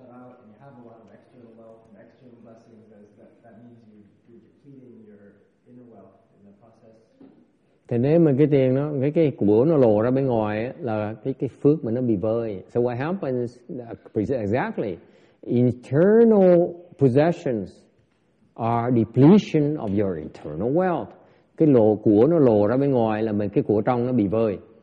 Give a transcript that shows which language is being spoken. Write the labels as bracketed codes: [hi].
[en] spiritual blessings, that means you're depleting your inner wealth in the process. [vi] Thì nếu mà cái tiền nó cái của nó lộ ra bên ngoài ấy, là cái phước mà nó bị vơi. [en] So what happens exactly? Internal possessions are depletion of your internal wealth. [vi] Cái lộ của nó lộ ra bên ngoài là mình cái của trong nó bị vơi.